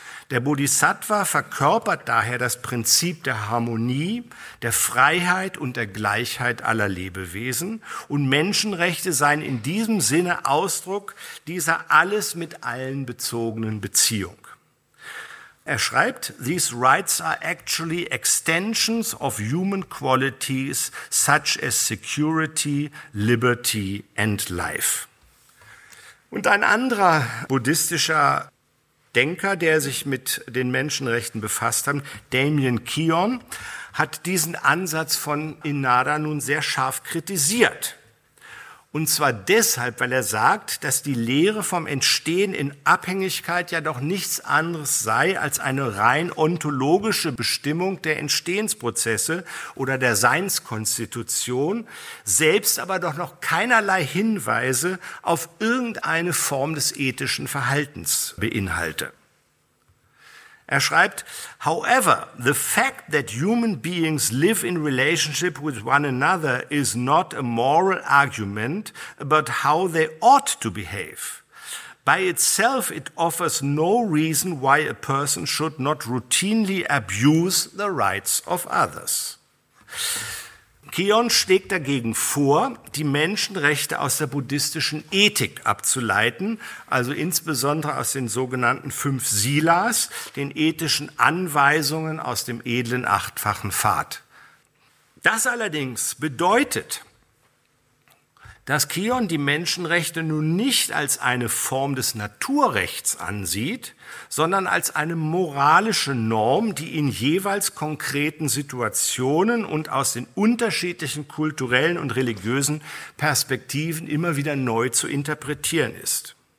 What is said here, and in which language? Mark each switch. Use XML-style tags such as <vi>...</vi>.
<de>Der Bodhisattva verkörpert daher das Prinzip der Harmonie, der Freiheit und der Gleichheit aller Lebewesen, und Menschenrechte seien in diesem Sinne Ausdruck dieser alles mit allen bezogenen Beziehung. Er schreibt,</de> <en>these rights are actually extensions of human qualities such as security, liberty and life.</en> <de>Und ein anderer buddhistischer Denker, der sich mit den Menschenrechten befasst hat, Damien Keown, hat diesen Ansatz von Inada nun sehr scharf kritisiert. Und zwar deshalb, weil er sagt, dass die Lehre vom Entstehen in Abhängigkeit ja doch nichts anderes sei als eine rein ontologische Bestimmung der Entstehensprozesse oder der Seinskonstitution, selbst aber doch noch keinerlei Hinweise auf irgendeine Form des ethischen Verhaltens beinhalte. Er schreibt,</de> <en>however, the fact that human beings live in relationship with one another is not a moral argument about how they ought to behave. By itself, it offers no reason why a person should not routinely abuse the rights of others.</en> <de>Keon schlägt dagegen vor, die Menschenrechte aus der buddhistischen Ethik abzuleiten, also insbesondere aus den sogenannten fünf Silas, den ethischen Anweisungen aus dem edlen achtfachen Pfad. Das allerdings bedeutet, dass Keon die Menschenrechte nun nicht als eine Form des Naturrechts ansieht, sondern als eine moralische Norm, die in jeweils konkreten Situationen und aus den unterschiedlichen kulturellen und religiösen Perspektiven immer wieder neu zu interpretieren ist.</de>